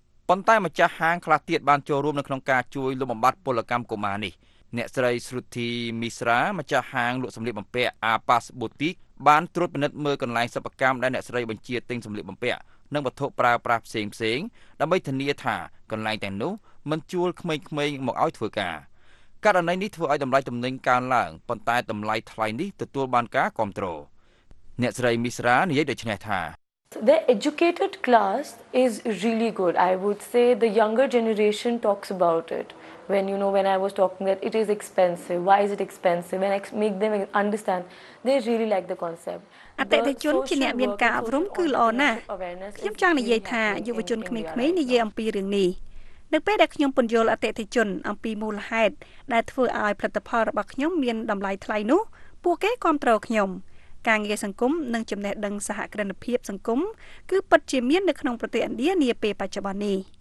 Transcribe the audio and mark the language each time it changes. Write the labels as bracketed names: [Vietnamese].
[Khmer] ប៉ុន្តែម្ចាស់ហាងខ្លះទៀតបានចូលរួមនៅក្នុងការជួយលុបបំបាត់ពលកម្មកុមារនេះអ្នកស្រីស្រុទ្ធីមីស្រាម្ចាស់ហាងលក់សម្លៀកបំពាក់ Apas Boutique បានត្រួតពិនិត្យមើលកន្លែងសិប្បកម្មដែលអ្នកស្រីបញ្ជាទិញសម្លៀកបំពាក់និងវត្ថុប្រើប្រាស់ផ្សេងផ្សេងដើម្បីធានាថាកន្លែងទាំងនោះមិនជួលក្មេងៗមកឲ្យធ្វើការករណីនេះធ្វើឲ្យតម្លៃទំនិញកើនឡើងប៉ុន្តែតម្លៃថ្លៃនេះទទួលបានការគាំទ្រអ្នកស្រីមីស្រានិយាយដូចនេះថា [English] The educated class is really good. I would say the younger generation talks about it. When I was talking that it is expensive. Why is it expensive? When I make them understand, they really like the concept. [Khmer] អតិថិជនជាអ្នកមានការអប់រំគឺល្អណាស់ខ្ញុំចង់និយាយថាយុវជនក្មេងៗនិយាយអំពីរឿងនេះនៅពេលដែលខ្ញុំពន្យល់អតិថិជនអំពីមូលហេតុដែលធ្វើឲ្យផលិតផលរបស់ខ្ញុំមានតម្លៃថ្លៃនោះពួកគេគាំទ្រខ្ញុំការងារសង្គមនិងចំណេះដឹងសហគ្រិនភាពសង្គមគឺពិតជាមាននៅក្នុងប្រទេសឥណ្ឌានាពេលបច្ចុប្បន្ននេះ